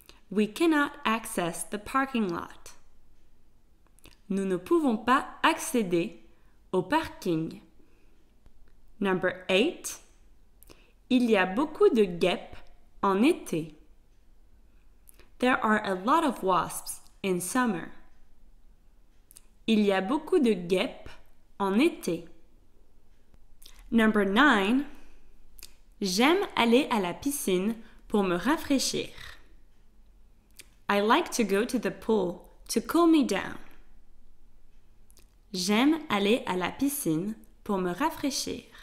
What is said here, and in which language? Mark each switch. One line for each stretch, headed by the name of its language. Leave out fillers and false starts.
English: We cannot access the parking lot.
French: Nous ne pouvons pas accéder au parking.
English: Number eight.
French: Il y a beaucoup de guêpes en été.
English: There are a lot of wasps in summer.
French: Il y a beaucoup de guêpes en été.
English: Number nine.
French: J'aime aller à la piscine pour me rafraîchir.
English: I like to go to the pool to cool me down.
French: J'aime aller à la piscine pour me rafraîchir.